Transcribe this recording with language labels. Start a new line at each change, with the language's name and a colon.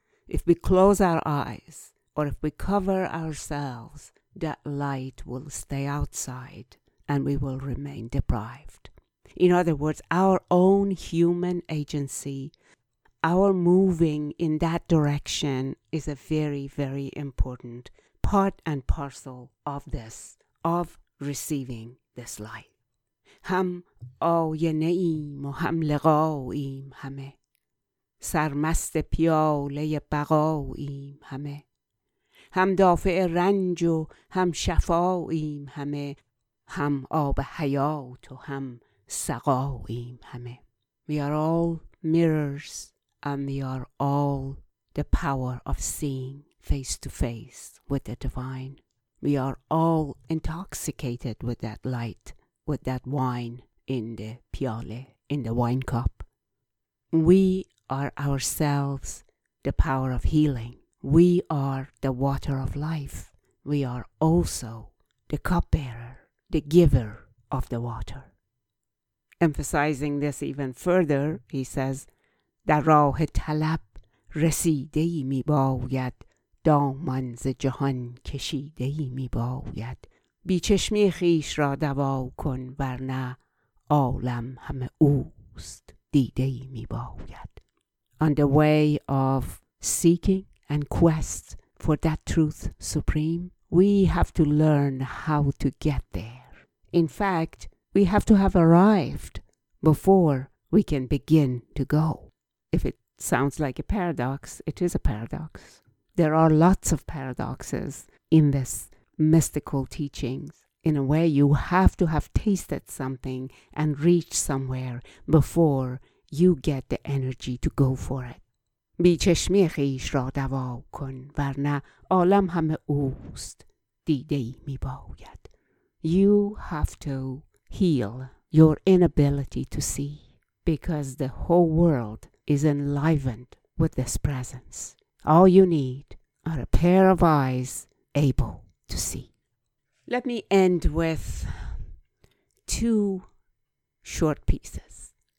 English: If we close our eyes or if we cover ourselves, that light will stay outside and we will remain deprived. In other words, our own human agency, our moving in that direction is a very, very important part and parcel of this, of receiving this light.
Persian: هم آینه ایم و هم لقاییم همه، سرمست پیاله بقاییم همه، هم دافع رنج و هم شفاییم همه، هم آب حیات و هم سقاییم همه.
English: We are all mirrors and we are all the power of seeing face to face with the divine. We are all intoxicated with that light, with that wine in the piale, in the wine cup. We are ourselves the power of healing. We are the water of life. We are also the cup bearer, the giver of the water. Emphasizing this even further, he says,
Persian: در راه طلب رسیده ای می باید، دامن ز جهان کشیده ای می باید، بی چشمی خیش را دوا کن، ورنه عالم همه اوست دیده ای می باید.
English: On the way of seeking and quest for that truth supreme, we have to learn how to get there. In fact, we have to have arrived before we can begin to go. If it sounds like a paradox, it is a paradox. There are lots of paradoxes in this mystical teachings. In a way, you have to have tasted something and reached somewhere before you get the energy to go for it.
Persian: بی چشمی خیش را دوا کن، ورنه عالم همه اوست دیده ای می باید.
English: You have to heal your inability to see, because the whole world is enlivened with this presence. All you need are a pair of eyes able to see. Let me end with two short pieces.